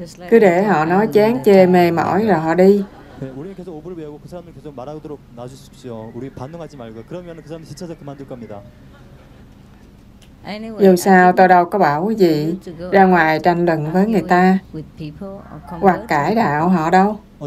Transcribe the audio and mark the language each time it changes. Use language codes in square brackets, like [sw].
[vi] Cứ để họ nói chán, chê, mê, mỏi rồi họ đi. [ko] 네, 우리는 계속 오브를 외우고 그 사람들 계속 말하도록 놔주십시오. 우리 반응하지 말고 그러면 그 사람들 지쳐서 그만둘 겁니다. [vi] Dù sao tôi đâu có bảo quý vị ra ngoài tranh luận với người ta hoặc cãi đạo họ đâu.